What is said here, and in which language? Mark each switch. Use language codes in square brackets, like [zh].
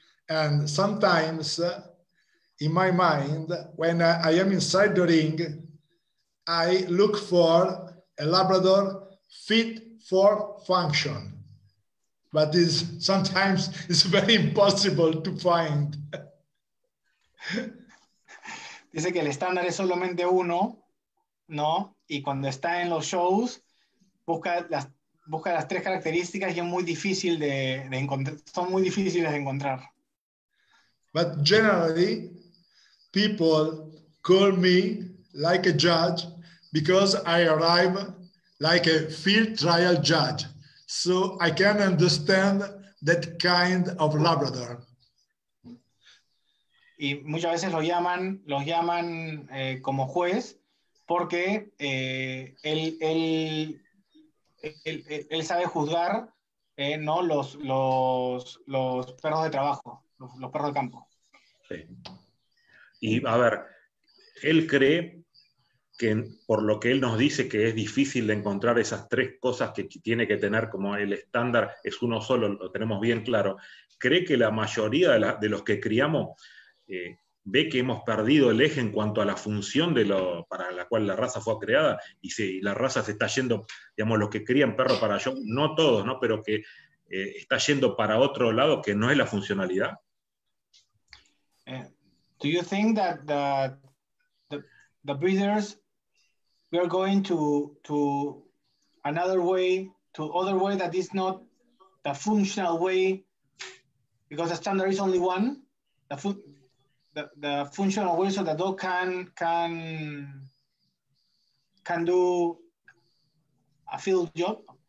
[en] And sometimes, in my mind, when I am inside the ring, I look for a Labrador fit for function. But is sometimes it's very impossible to find. [es] Dice que el estándar es solamente uno, ¿no? Y cuando está en los shows, busca las tres características y es muy difícil de encontrar, son muy difíciles de encontrar. [en] But generally, people call me like a judge because I arrive like a field trial judge. So I can understand that kind of Labrador. [es] Y muchas veces los llaman como juez porque él sabe juzgar no los perros de trabajo, los perros de campo. Sí. Y a ver, él cree que por lo que él nos dice que es difícil de encontrar esas tres cosas que tiene que tener como el estándar, es uno solo, lo tenemos bien claro, ¿cree que la mayoría de los que criamos ve que hemos perdido el eje en cuanto a la función de lo, para la cual la raza fue creada? Y si la raza se está yendo, digamos, los que crían perro para yo, no todos, ¿no? Pero que está yendo para otro lado que no es la funcionalidad. [en] Do you think that the breeders, we are going to another way, to other way that is not the functional way, because the standard is only one. The functional way so the dog can do a field job.